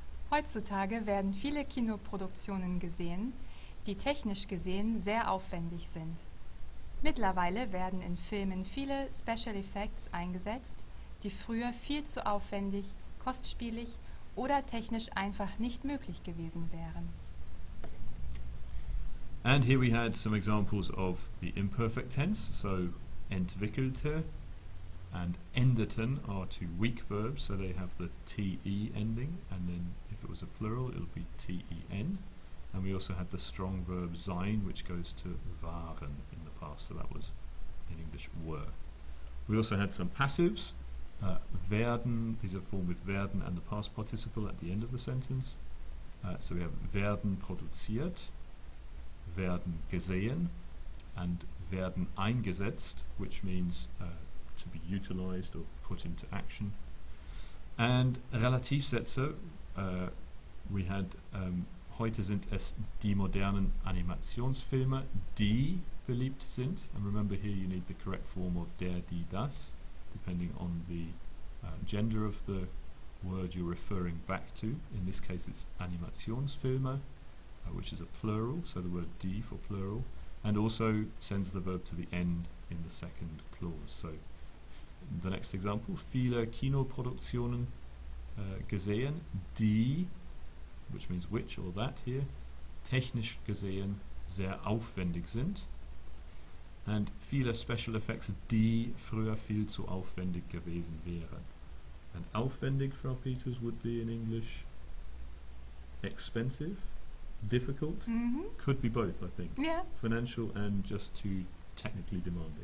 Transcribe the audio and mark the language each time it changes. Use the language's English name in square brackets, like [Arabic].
[German] Heutzutage werden viele Kinoproduktionen gesehen, die technisch gesehen sehr aufwendig sind. Mittlerweile werden in Filmen viele Special Effects eingesetzt, die früher viel zu aufwendig, kostspielig oder technisch einfach nicht möglich gewesen wären. [English] And here we had some examples of the imperfect tense, so entwickelte and endeten are two weak verbs, so they have the te ending, and then if it was a plural, it would be ten. And we also had the strong verb sein, which goes to waren in the past, so that was in English were. We also had some passives, werden, these are formed with werden and the past participle at the end of the sentence. So we have werden produziert, werden gesehen, and werden eingesetzt, which means to be utilized or put into action. And Relativsätze, we had, [German] heute sind es die modernen Animationsfilme, die beliebt sind. [English] And remember here you need the correct form of der, die, das, depending on the gender of the word you're referring back to. In this case it's Animationsfilme, which is a plural, so the word die for plural, and also sends the verb to the end in the second clause. So the next example, [German] viele Kinoproduktionen gesehen, die, [English] which means which or that here, [German] technisch gesehen sehr aufwendig sind, and viele special effects, die früher viel zu aufwendig gewesen wären. [English] And aufwendig, Frau Peters, would be in English expensive, difficult, could be both, I think. Yeah. Financial and just too technically demanding.